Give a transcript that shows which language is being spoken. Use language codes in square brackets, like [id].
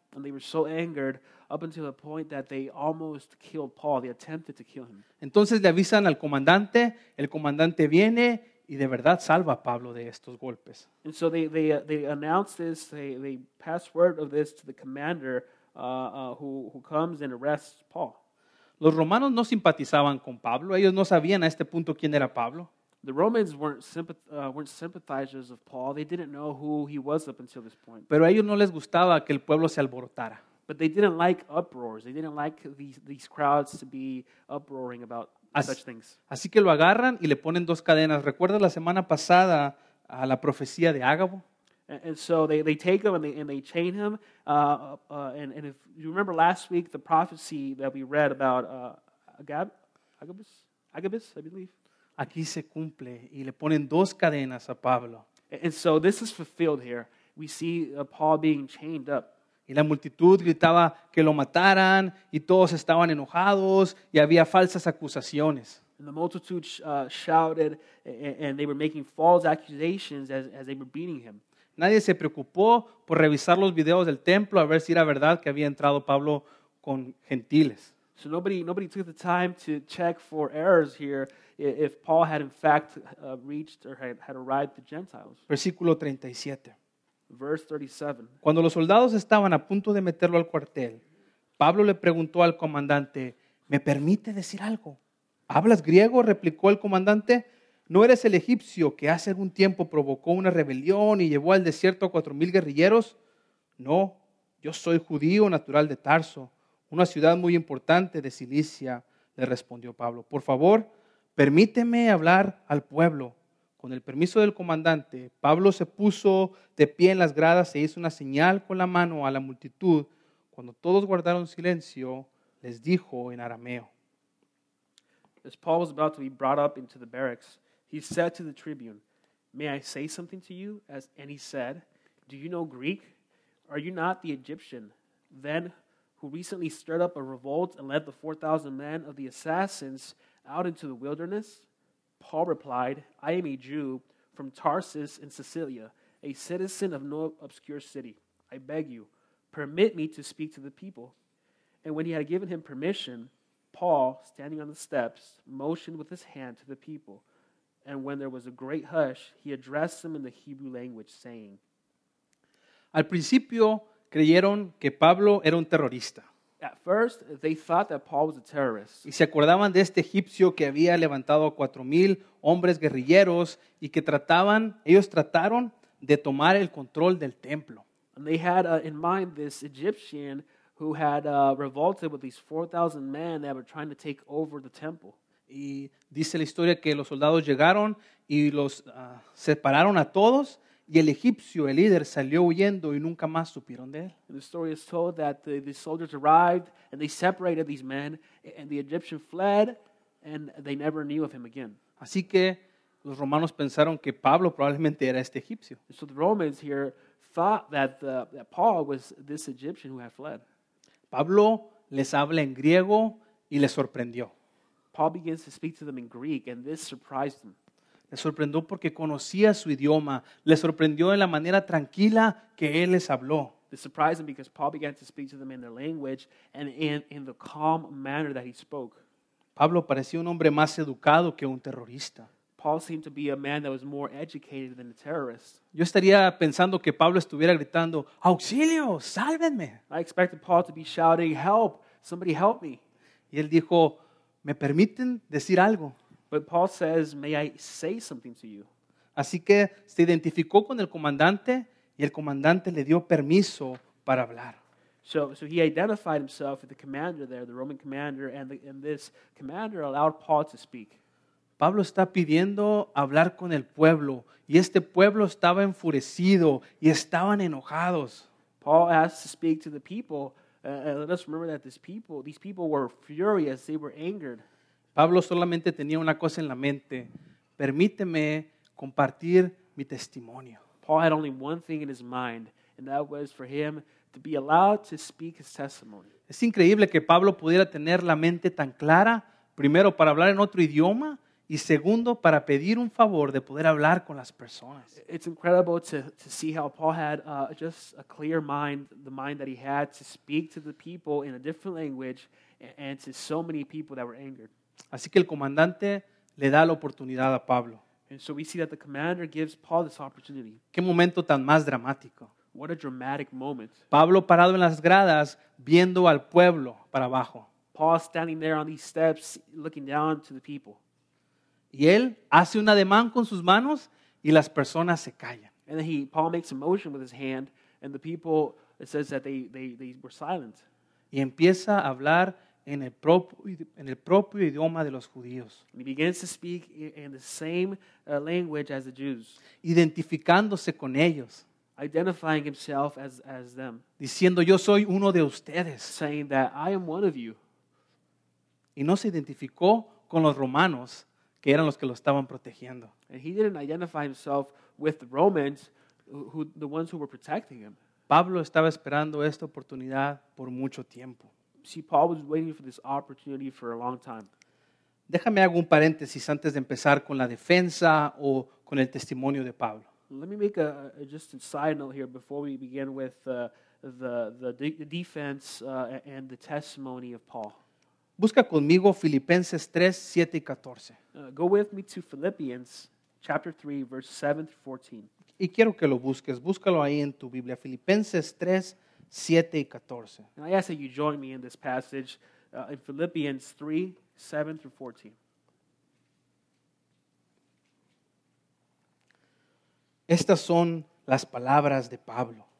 [en] And they were so angered up until the point that they almost killed Paul. They attempted to kill him. [es] Entonces le avisan al comandante. El comandante viene y de verdad salva a Pablo de estos golpes. [en] And so they announce this. They pass word of this to the commander who comes and arrests Paul. [es] Los romanos no simpatizaban con Pablo. Ellos no sabían a este punto quién era Pablo. [en] The Romans weren't sympathizers of Paul. They didn't know who he was up until this point. [es] Pero a ellos no les gustaba que el pueblo se alborotara. [en] But they didn't like uproars. They didn't like these crowds to be uproaring about such things. [es] Así que lo agarran y le ponen dos cadenas. ¿Recuerdas la semana pasada a la profecía de Ágabo? [en] And so they take him and they chain him. And if you remember last week, the prophecy that we read about Agabus, I believe. [es] Aquí se cumple y le ponen dos cadenas a Pablo. [en] And so this is fulfilled here. We see Paul being chained up. [es] Y la multitud gritaba que lo mataran y todos estaban enojados y había falsas acusaciones. [en] And the multitude shouted and they were making false accusations as they were beating him. [es] Nadie se preocupó por revisar los videos del templo a ver si era verdad que había entrado Pablo con gentiles. [en] So nobody took the time to check for errors here. If Paul had in fact reached or had arrived the Gentiles. [es] Versículo 37. [en] Verse 37. [es] Cuando los soldados estaban a punto de meterlo al cuartel, Pablo le preguntó al comandante, ¿me permite decir algo? ¿Hablas griego? Replicó el comandante. ¿No eres el egipcio que hace algún tiempo provocó una rebelión y llevó al desierto a 4,000 guerrilleros? No, yo soy judío natural de Tarso, una ciudad muy importante de Cilicia, le respondió Pablo. Por favor, permíteme hablar al pueblo. Con el permiso del comandante, Pablo se puso de pie en las gradas e hizo una señal con la mano a la multitud. Cuando todos guardaron silencio, les dijo en arameo. [en] As Paul was about to be brought up into the barracks, he said to the tribune, "May I say something to you?" And he said, "Do you know Greek? Are you not the Egyptian then who recently stirred up a revolt and led the 4,000 men of the assassins out into the wilderness?" Paul replied, "I am a Jew from Tarsus in Cilicia, a citizen of no obscure city. I beg you, permit me to speak to the people." And when he had given him permission, Paul, standing on the steps, motioned with his hand to the people. And when there was a great hush, he addressed them in the Hebrew language, saying, [es] Al principio creyeron que Pablo era un terrorista. [en] At first, they thought that Paul was a terrorist. [es] Y se acordaban de este egipcio que había levantado 4,000 hombres guerrilleros y que ellos trataron de tomar el control del templo. [en] And they had in mind this Egyptian who had revolted with these 4,000 men that were trying to take over the temple. [es] Y dice la historia que los soldados llegaron y los separaron a todos. Y el egipcio, el líder, salió huyendo y nunca más supieron de él. [en] And the story is told that the soldiers arrived and they separated these men. And the Egyptian fled and they never knew of him again. [es] Así que los romanos pensaron que Pablo probablemente era este egipcio. [en] And so the Romans here thought that, that Paul was this Egyptian who had fled. [es] Pablo les habla en griego y les sorprendió. [en] Paul begins to speak to them in Greek and this surprised them. [es] Les sorprendió porque conocía su idioma. Les sorprendió en la manera tranquila que él les habló. [en] This surprised them because Paul began to speak to them in their language and in the calm manner that he spoke. [es] Pablo parecía un hombre más educado que un terrorista. [en] Paul seemed to be a man that was more educated than a terrorist. [es] Yo estaría pensando que Pablo estuviera gritando, ¡Auxilio! ¡Sálvenme! [en] I expected Paul to be shouting, ¡Help! ¡Somebody help me! [es] Y él dijo, ¿Me permiten decir algo? [en] But Paul says, "May I say something to you?" [es] Así que se identificó con el comandante y el comandante le dio permiso para hablar. [en] So he identified himself with the commander there, the Roman commander, and this commander allowed Paul to speak. [es] Pablo está pidiendo hablar con el pueblo y este pueblo estaba enfurecido y estaban enojados. [en] Paul asked to speak to the people. Let us remember that these people were furious, they were angered. [es] Pablo solamente tenía una cosa en la mente. Permíteme compartir mi testimonio. [en] Paul had only one thing in his mind, and that was for him to be allowed to speak his testimony. [es] Es increíble que Pablo pudiera tener la mente tan clara, primero para hablar en otro idioma, y segundo para pedir un favor de poder hablar con las personas. [en] It's incredible to see how Paul had just a clear mind, the mind that he had to speak to the people in a different language and to so many people that were angered. [es] Así que el comandante le da la oportunidad a Pablo. [en] And so we see that the commander gives Paul this opportunity. [es] ¿Qué momento tan más dramático? [en] What a dramatic moment. [es] Pablo parado en las gradas, viendo al pueblo para abajo. [en] Paul standing there on these steps, looking down to the people. [es] Y él hace un ademán con sus manos y las personas se callan. [en] And then Paul makes a motion with his hand and the people, it says that they were silent. [es] Y empieza a hablar en el propio idioma de los judíos. [en] He begins to speak in the same language as the Jews. [es] Identificándose con ellos. [en] Identifying himself as them. [es] Diciendo, yo soy uno de ustedes. [en] Saying that I am one of you. [es] Y no se identificó con los romanos, que eran los que lo estaban protegiendo. [en] And he didn't identify himself with the Romans, the ones who were protecting him. [es] Pablo estaba esperando esta oportunidad por mucho tiempo. [en] See, Paul was waiting for this opportunity for a long time. [es] Déjame hago un paréntesis antes de empezar con la defensa o con el testimonio de Pablo. [en] Let me make a side note here before we begin with the defense and the testimony of Paul. [es] Busca conmigo Filipenses 3, 7 y 14. [en] Go with me to Philippians chapter 3, verse 7 to 14. [es] Y quiero que lo busques. Búscalo ahí en tu Biblia. Filipenses 3, 7 y 14. [en] And I ask that you join me in this passage in Philippians 3, 7 through 14. [es] Estas son las palabras de Pablo.